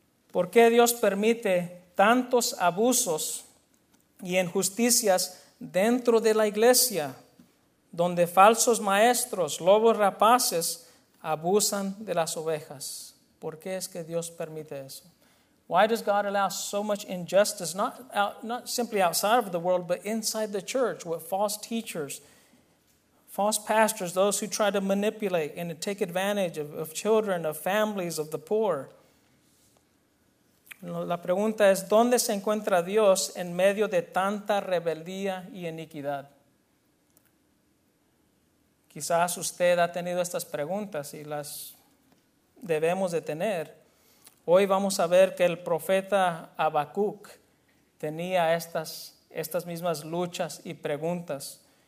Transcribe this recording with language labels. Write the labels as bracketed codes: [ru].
[es] ¿Por qué Dios permite tantos abusos y injusticias dentro de la iglesia, donde falsos maestros, lobos rapaces, abusan de las ovejas? ¿Por qué es que Dios permite eso? [en] Why does God allow so much injustice, not simply outside of the world, but inside the church, with false teachers, false pastors, those who try to manipulate and take advantage of children, of families, of the poor? [es] La pregunta es, ¿dónde se encuentra Dios en medio de tanta rebeldía y iniquidad? Quizás usted ha tenido estas preguntas y las debemos de tener. Hoy vamos a ver que el profeta Habacuc tenía estas mismas luchas y preguntas.